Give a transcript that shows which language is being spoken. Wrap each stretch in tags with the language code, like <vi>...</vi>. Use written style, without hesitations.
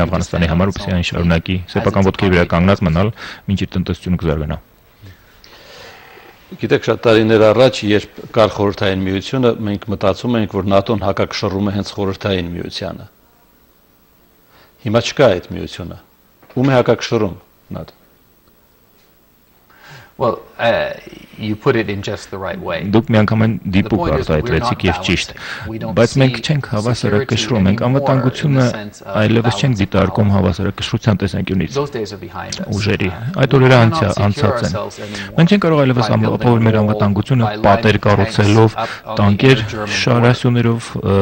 <hy>Կանգնած մնալ, մինչ իր տնտեսությունը կզարգանա։ Գիտեք, շատ տարիներ առաջ, երբ կար խորհրդային միությունը, մենք մտածում ենք, որ ՆԱՏՕ-ն հակակշռում է հենց խորհրդային միությանը։ Հիմա չկա այդ միությունը։ Ում է հակակշռում ՆԱՏՕ-ն։</hy> <en>Well, you put it in just the right way.</en> <hy>Դուք միանգամայն դիպուկ արտահայտեցիք եւ ճիշտ։ Բայց մենք չենք հավասարակշռում, մենք անվտանգությունը այլևս չենք դիտարկում հավասարակշռության տեսանկյունից։ Ուժերի այդ օրերը անցած են։ Մենք չենք կարող այլևս ապահովել մեր անվտանգությունը պատեր կառուցելով, տանկեր շարասյուներով</hy>